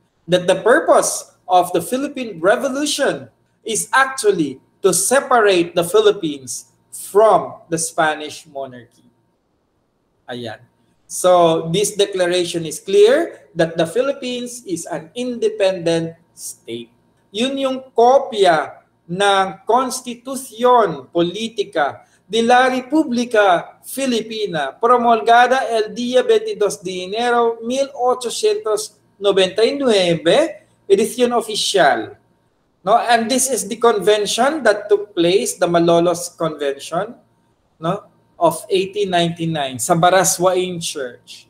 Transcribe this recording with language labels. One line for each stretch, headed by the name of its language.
English: That the purpose of the Philippine Revolution is actually to separate the Philippines from the Spanish monarchy. Ayan. So this declaration is clear that the Philippines is an independent state.
Filipino: Yun yung kopya ng
Spanish: Constitucion Politica de la Republica Filipina promulgada el día 22 de enero 1899, edición oficial.
English: No, and this is the convention that took place, the Malolos Convention, no, of 1899 sa Baraswain Church.